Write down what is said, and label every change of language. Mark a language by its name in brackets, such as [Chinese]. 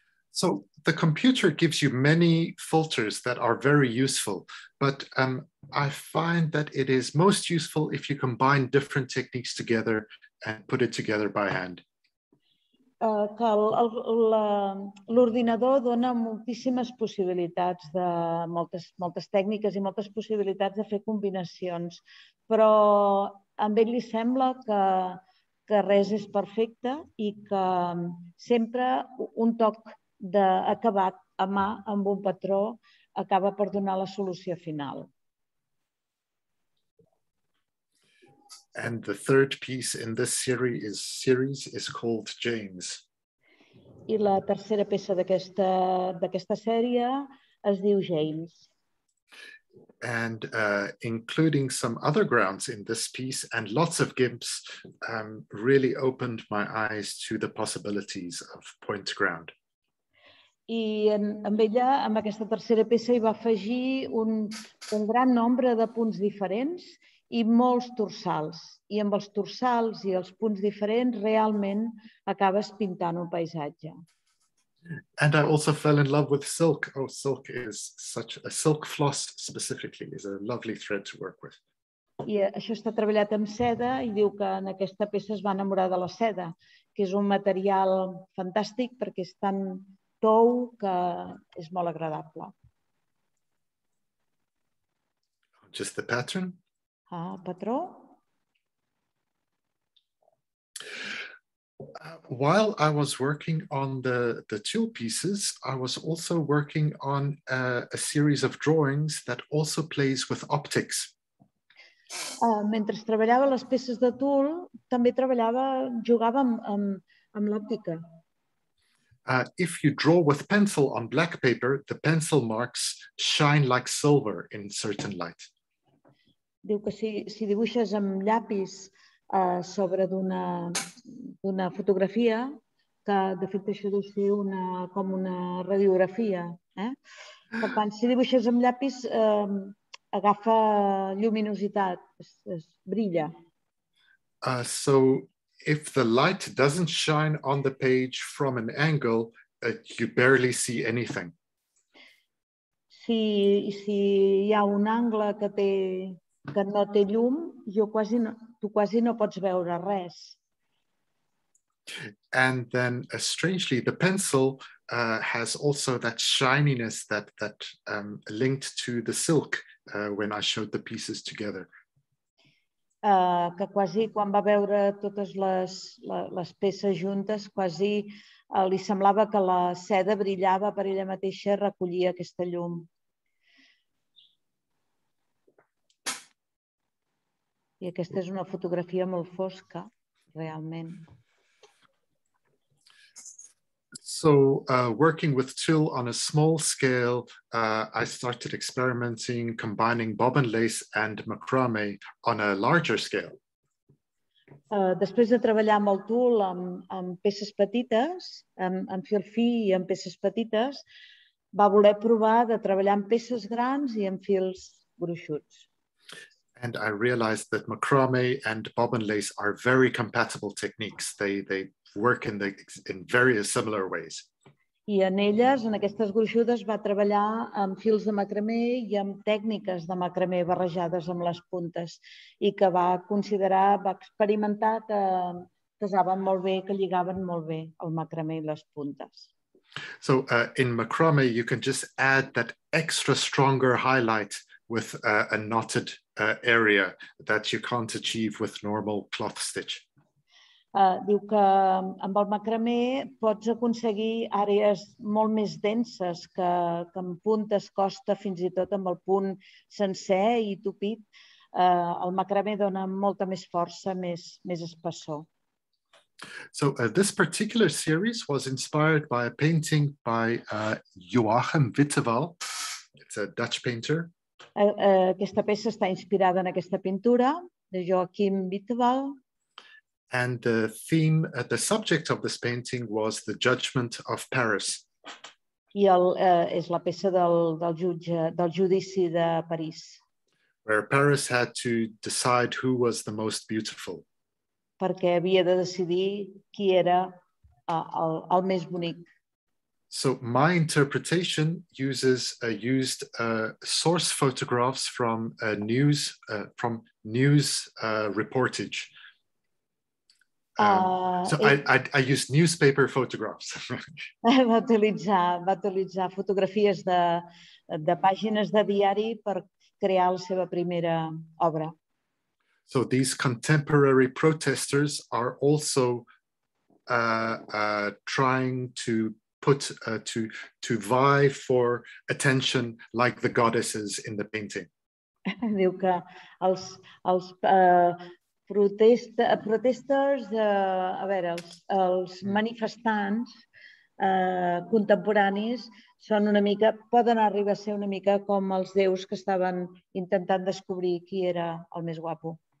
[English] So the computer gives you many filters that are very useful, but I find that it is most useful if you combine different techniques together and put it together by hand. [Catalan] L'ordinador dona moltíssimes possibilitats de moltes tècniques i moltes possibilitats de fer combinacions, però a ell li sembla que res és perfecte i que sempre un toc d'acabat a mà amb un patró acaba per donar la solució final. [English] And the third piece in this series is called James. [Catalan] I la tercera peça d'aquesta sèrie es diu James. [English] And including some other grounds in this piece and lots of gimps really opened my eyes to the possibilities of point ground. [Catalan] I amb ella, amb aquesta tercera peça, hi va afegir un gran nombre de punts diferents i molts torsals. I amb els torsals i els punts diferents, realment acabes pintant un paisatge. [English] And I also fell in love with silk. Oh, silk is such a silk floss specifically. It's a lovely thread to work with. [Catalan] I això està treballat amb seda i diu que en aquesta peça es va enamorar de la seda, que és un material fantàstic perquè és tan tou que és molt agradable. [English] Just the pattern? [Catalan] Ah, patró. [English] While I was working on the tool pieces, I was also working on a series of drawings that also plays with optics. [Catalan] Mentre treballava les peces de tool, també treballava, jugava amb l'òptica. [English] If you draw with pencil on black paper, the pencil marks shine like silver in certain light. [Catalan] Diu que si dibuixes amb llapis sobre d'una fotografia, que de fet això deu ser una, com una radiografia. Per tant, si dibuixes amb llapis, agafa lluminositat, es brilla. [English] So if the light doesn't shine on the page from an angle, you barely see anything. [Catalan] Si hi ha un angle que no té llum, tu quasi no pots veure res. [English] And then, strangely, the pencil has also that shininess that linked to the silk when I showed the pieces together. [Catalan] Que quasi quan va veure totes les peces juntes, quasi li semblava que la seda brillava per ella mateixa, recollia aquesta llum. I aquesta és una fotografia molt fosca, realment. [English] So, working with tulle on a small scale, I started experimenting combining bobbin lace and macrame on a larger scale. [Catalan] Després de treballar amb el tulle amb peces petites, amb fil fi i amb peces petites, va voler provar de treballar amb peces grans i amb fils gruixuts. [English] And I realized that macrame and bobbin lace are very compatible techniques. They work in very similar ways. [Catalan] I en elles, en aquestes gruixudes, va treballar amb fils de macramé i amb tècniques de macramé barrejades amb les puntes i que va considerar, va experimentar que casaven molt bé, que lligaven molt bé el macramé i les puntes. [English] So in macrame, you can just add that extra stronger highlight with a knotted area that you can't achieve with normal cloth stitch. [Catalan] Diu que amb el macramé pots aconseguir àrees molt més denses que amb puntes costa fins i tot amb el punt sencer i tupit. El macramé dona molta més força, més espessor. [English] So this particular series was inspired by a painting by Joachim Witteveld. It's a Dutch painter. [Catalan] Aquesta peça està inspirada en aquesta pintura de Joachim Witteveld. [English] And the theme, the subject of this painting was the judgment of Paris. [Catalan] I és la peça del judici de París. [English] Where Paris had to decide who was the most beautiful. [Catalan] Perquè havia de decidir qui era el més bonic. [English] So my interpretation used source photographs from news reportage. I used newspaper photographs. [Catalan] va utilitzar fotografies de pàgines de diari per crear la seva primera obra. [English] So these contemporary protesters are also trying to put to vie for attention like the goddesses in the painting. [Catalan] Diu que els manifestants contemporanis són una mica, poden arribar a ser una mica com els déus que estaven intentant descobrir qui era el més guapo.